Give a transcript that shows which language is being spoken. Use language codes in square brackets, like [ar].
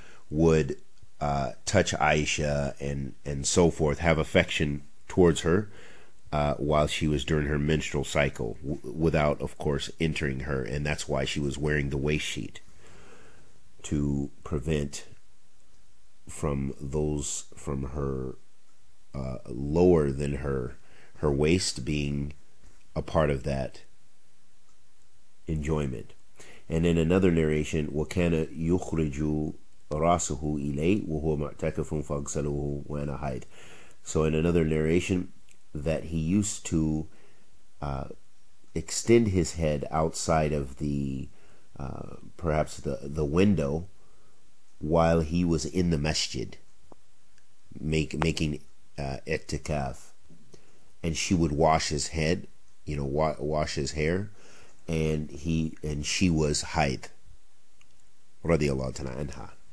[en] would touch Aisha and so forth, have affection towards her while she was during her menstrual cycle, without of course entering her, and that's why she was wearing the waist sheet to prevent from those from her lower than her waist being a part of that enjoyment. And in another narration, [ar] وَكَانَ يُخْرِجُ رَاسُهُ إِلَيْ وَهُوَ مَعْتَكَفٌ فَأَغْسَلُهُ وَأَنَا حَيْضٌ. [en] So in another narration, that he used to extend his head outside of the perhaps the window while he was in the masjid making itikaf, and she would wash his head, you know, wash his hair, and she was haid radiallahu ta'ala anha.